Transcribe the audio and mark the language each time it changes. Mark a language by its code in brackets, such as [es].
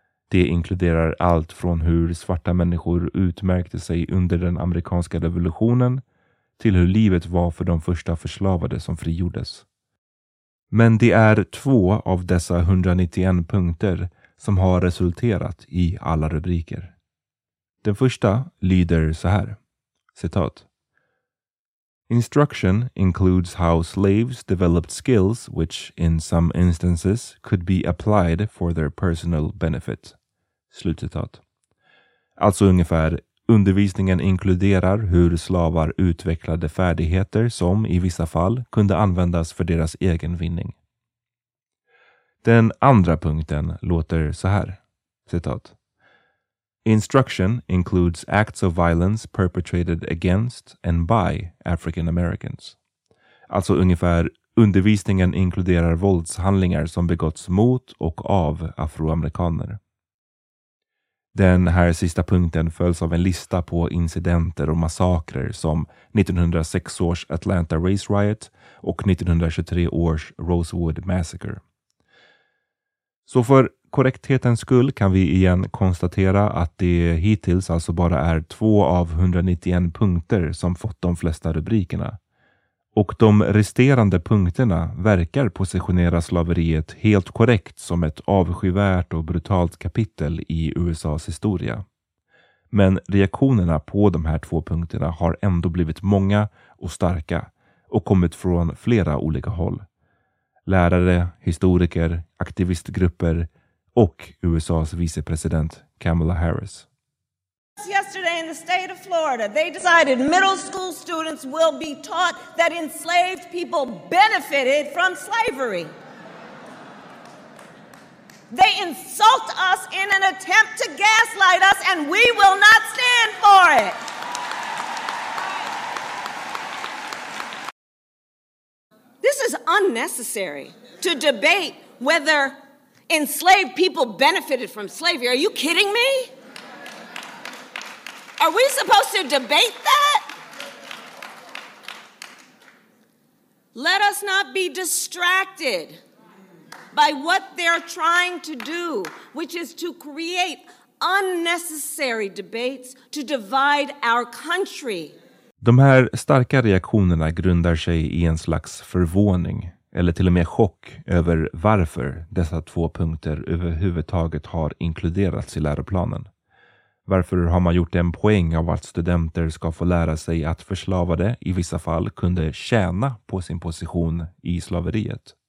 [sv] Det inkluderar allt från hur svarta människor utmärkte sig under den amerikanska revolutionen till hur livet var för de första förslavade som frigjordes. Men det är två av dessa 191 punkter som har resulterat i alla rubriker. Den första lyder så här. Citat. [en] Instruction includes how slaves developed skills which in some instances could be applied for their personal benefit. [sv] Slutcitat. Alltså ungefär, undervisningen inkluderar hur slavar utvecklade färdigheter som i vissa fall kunde användas för deras egen vinning. Den andra punkten låter så här. Citat. [en] Instruction includes acts of violence perpetrated against and by African Americans. [sv] Alltså ungefär, undervisningen inkluderar våldshandlingar som begåtts mot och av afroamerikaner. Den här sista punkten följs av en lista på incidenter och massakrer som 1906 års Atlanta Race Riot och 1923 års Rosewood Massacre. Så för korrekthetens skull kan vi igen konstatera att det hittills alltså bara är 2 av 191 punkter som fått de flesta rubrikerna. Och de resterande punkterna verkar positionera slaveriet helt korrekt som ett avskyvärt och brutalt kapitel i USA:s historia. Men reaktionerna på de här två punkterna har ändå blivit många och starka och kommit från flera olika håll. Lärare, historiker, aktivistgrupper och USA:s vicepresident Kamala Harris. [en] Yesterday in the state of Florida, they decided middle school students will be taught that enslaved people benefited from slavery. They insult us in an attempt to gaslight us, and we will not stand for it. This is unnecessary to debate whether enslaved people benefited from slavery. Are you kidding me? Are we supposed to debate that? Let us not be distracted by what they're trying to do, which is to create unnecessary debates to divide our country. [sv] De här starka reaktionerna grundar sig i en slags förvåning, eller till och med chock, över varför dessa två punkter överhuvudtaget har inkluderats i läroplanen. Varför har man gjort en poäng av att studenter ska få lära sig att förslavade i vissa fall kunde tjäna på sin position i slaveriet?